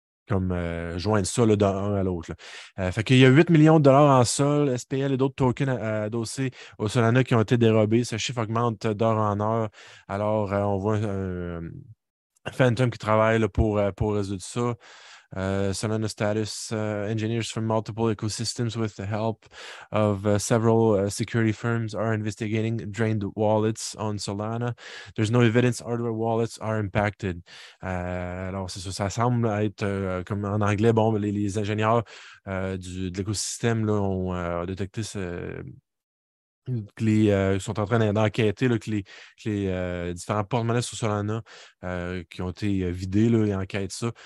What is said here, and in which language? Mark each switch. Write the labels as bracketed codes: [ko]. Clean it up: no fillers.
[fr] comme joindre ça là, d'un à l'autre. Fait qu'il y a 8 millions de dollars en SOL, SPL et d'autres tokens adossés au Solana qui ont été dérobés. Ce chiffre augmente d'heure en heure. Alors, on voit Phantom qui travaille là, pour résoudre ça. [en] Solana status engineers from multiple ecosystems with the help of several security firms are investigating drained wallets on Solana. There's no evidence other wallets are impacted. [fr] Alors, c'est ça. Ça semble être, comme en anglais, bon, les ingénieurs de l'écosystème là, ont détecté ce... Ils sont en train d'enquêter là, que les différents porte-monnaies sur Solana qui ont été vidés, là, ils enquêtent ça.